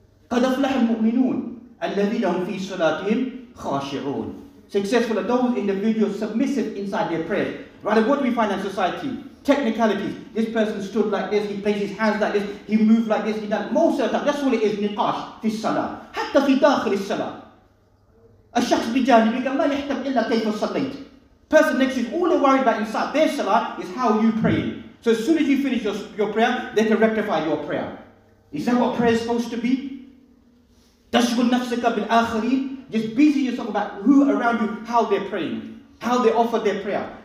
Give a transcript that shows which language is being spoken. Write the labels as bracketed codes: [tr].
[ar] قَدْ أَفْلَحَ الْمُؤْمِنُونَ الَّذِينَ هُمْ فِي صَلَاتِهِمْ خَاشِعُونَ. [en] Successful are those individuals submissive inside their prayer. Rather, what do we find in society? Technicalities. This person stood like this, he placed his hands like this, he moved like this, he done. Most of the time, that's all it is, [ar] niqash, fi salah. Hatta fi dakhil salah. الشخص بجانبك ما يحتم إلا كيف صليت. [en] Person next to you, all they're worried about inside their salah is how you pray. So as soon as you finish your prayer, they can rectify your prayer. Is that what prayer is supposed to be? [ar] تشغل نفسك بالآخرين. [en] Just busy yourself about who around you, how they're praying, how they offer their prayer.